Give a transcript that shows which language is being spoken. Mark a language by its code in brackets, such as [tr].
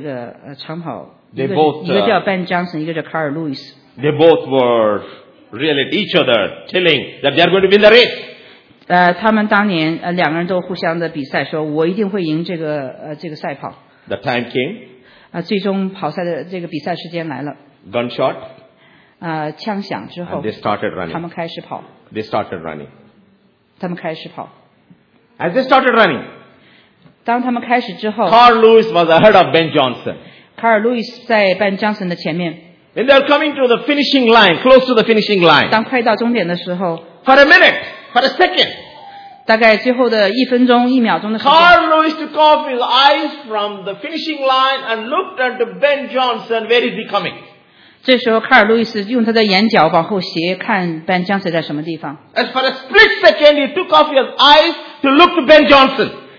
[zh] 多少年前，在这个马拉松赛跑中，有两个非常伟大的这个长跑，一个叫 Ben Johnson, 一个叫 Carl Lewis. [en] They both were really at each other, telling that they are going to win the race. [zh] 他们当年两个人都互相的比赛，说我一定会赢这个赛跑. [en] The time came. [zh] 最终跑赛的这个比赛时间来了. [en] Gunshot. [zh] 枪响之后, [en] they started running. [zh] 他们开始跑, [en] they started running. [zh] 他们开始跑, [en] as they started running, [zh] 当他们开始之后, [en] Carl Lewis was ahead of Ben Johnson. [zh] Carl Lewis 在 Ben Johnson的前面, [en] when they are coming to the finishing line, close to the finishing line, [zh] 当快到终点的时候, [en] for a minute, for a second, [zh] 大概最后的一分钟,一秒钟的时候, [en] Carl Lewis took off his eyes from the finishing line and looked at Ben Johnson, where is he coming? [zh] 这时候卡尔路易斯用他的眼角往后斜看 Ben Johnson在什么地方。 [en] As for a split second, he took off his eyes to look to Ben Johnson.